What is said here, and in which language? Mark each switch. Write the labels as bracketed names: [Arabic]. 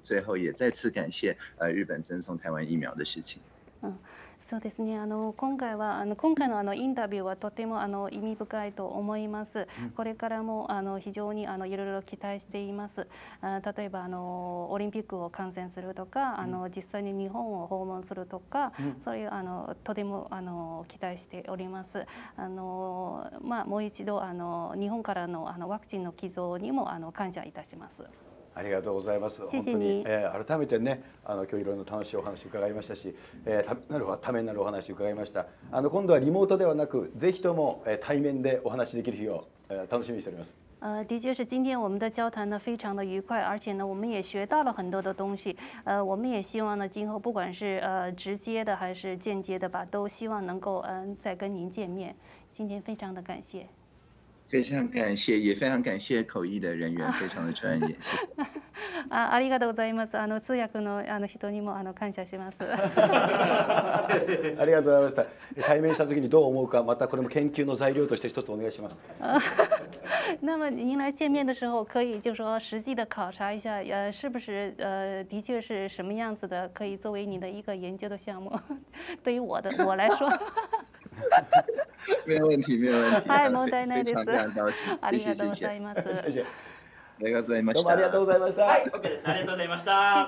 [Chinese] 最后也再次感谢日本赠送台湾疫苗的事情。 [Japanese] そうですね、今回は今回のインタビューはとても意味深いと思います。これからも非常にいろいろ期待しています。例えばオリンピックを観戦するとか、実際に日本を訪問するとか、そういうとても期待しております。もう一度日本から のワクチンの寄贈にも感謝いたします。ありがとうございます。本当に、改めてね、今日いろいろ楽しいお話伺いましたし、ためになるお話伺いました。今度はリモートではなく、ぜひとも対面でお話できる日を楽しみにしております。 [Chinese] 的确是今天我们的交谈呢非常的愉快，而且呢我们也学到了很多的东西。我们也希望呢今后不管是直接的还是间接的吧，都希望能够再跟您见面。今天非常的感谢。非常感谢，也非常感谢口译的人员，非常的专业。 [Japanese] 啊，ありがとうございます。通訳の人にも感謝します。ありがとうございました。対面した時にどう思うか、またこれも研究の材料として一つお願いします。 [Chinese] 那么您来见面的时候，可以就说实际的考察一下，是不是的确是什么样子的，可以作为你的一个研究的项目。对于我来说。没有问题，没有问题。嗨，蒙代奈非常非常高兴，谢谢谢谢，谢谢， [Japanese] ありがとうございました。どうもありがとうございました。はい、OK です。ありがとうございました。